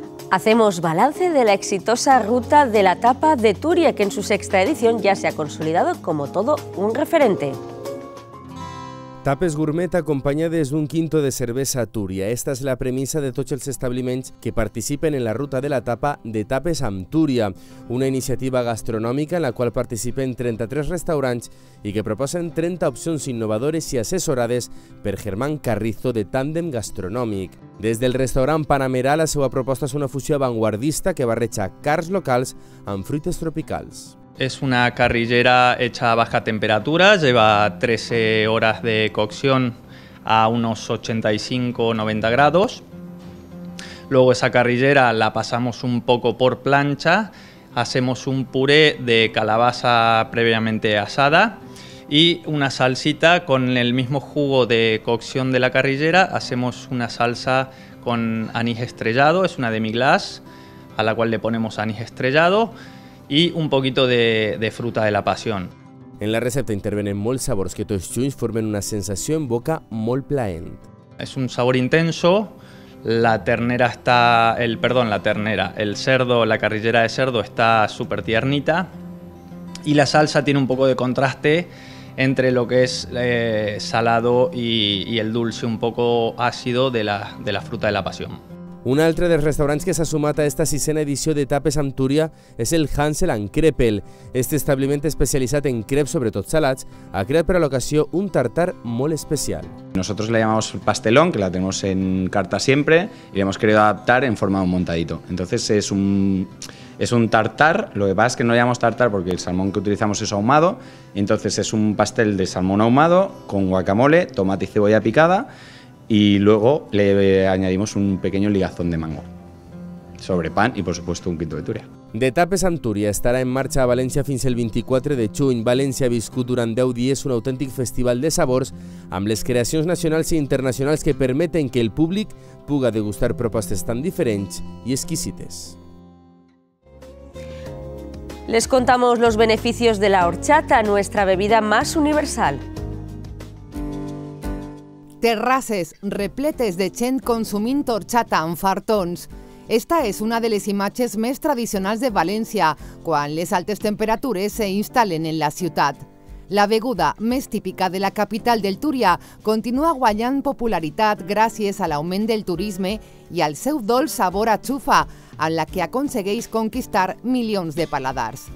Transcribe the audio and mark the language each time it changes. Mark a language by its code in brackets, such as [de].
[es] Hacemos balance de la exitosa ruta de la tapa de Turia, que en su sexta edición ya se ha consolidado como todo un referente. [ca] Tapes gourmet acompañades d'un quinto de cervesa Turia. Esta és la premissa de tots els establiments que participen en la ruta de la tapa de Tapes amb Turia, una iniciativa gastronòmica en la qual participen 33 restaurants i que proposen 30 opcions innovadores i assessorades per Germán Carrizo de Tàndem Gastronòmic. Des del restaurant Panamera, la seva proposta és una fusió avantguardista que barreja carns locals amb fruites tropicals. [es] Es una carrillera hecha a baja temperatura, lleva 13 horas de cocción a unos 85-90 grados. Luego esa carrillera la pasamos un poco por plancha, hacemos un puré de calabaza previamente asada y una salsita con el mismo jugo de cocción de la carrillera. Hacemos una salsa con anís estrellado, es una demi-glace a la cual le ponemos anís estrellado y un poquito de fruta de la pasión. [ca] En la recepta intervenen molts sabors que tots junts formen una sensació en boca molt plaent. [es] Es un sabor intenso, la carrillera de cerdo está súper tiernita y la salsa tiene un poco de contraste entre lo que es salado y el dulce un poco ácido de la fruta de la pasión. [ca] Un altre dels restaurants que s'ha sumat a esta sisena edició de tapes amb Túria és el Hansel and Krepel. Este establiment especialitzat en crepes, sobretot salats, ha creat per a l'ocasió un tartar molt especial. [es] Nosotros le llamamos pastelón, que la tenemos en carta siempre, y le hemos querido adaptar en forma de un montadito. Entonces es un tartar, lo que pasa es que no le llamamos tartar porque el salmón que utilizamos es ahumado, entonces es un pastel de salmón ahumado con guacamole, tomate y cebolla picada, y luego le añadimos un pequeño ligazón de mango sobre pan y, por supuesto, un quinto de Túria. [ca] De tapes amb Túria estarà en marxa a València fins el 24 de juny. València ha viscut durant 10 dies un autèntic festival de sabors amb les creacions nacionals i internacionals que permeten que el públic puga degustar propostes tan diferents i exquisites. [es] Les contamos los beneficios de la horchata, nuestra bebida más universal. [ca] Terrasses repletes de gent consumint horchata amb fartons. Esta és una de les imatges més tradicionals de València, quan les altes temperatures se instal·len en la ciutat. La beguda més típica de la capital del Túria continua guanyant popularitat gràcies a l'augment del turisme i al seu dolç sabor a xufa, amb la que aconsegueix conquistar milions de paladars.